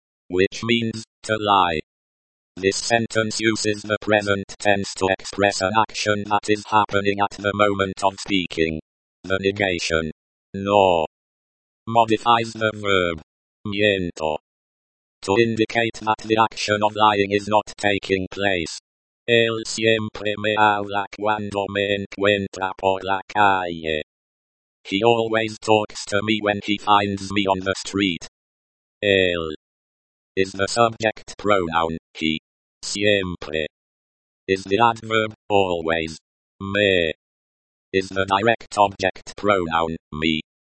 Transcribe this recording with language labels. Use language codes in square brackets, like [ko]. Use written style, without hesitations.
[en] Which means, to lie. This sentence uses the present tense to express an action that is happening at the moment of speaking. The negation, no, modifies the verb, miento, to indicate that the action of lying is not taking place. [es] Él siempre me habla cuando me encuentra por la calle. [en] He always talks to me when he finds me on the street. Él is the subject pronoun, he. Siempre is the adverb, always. Me is the direct object pronoun, me.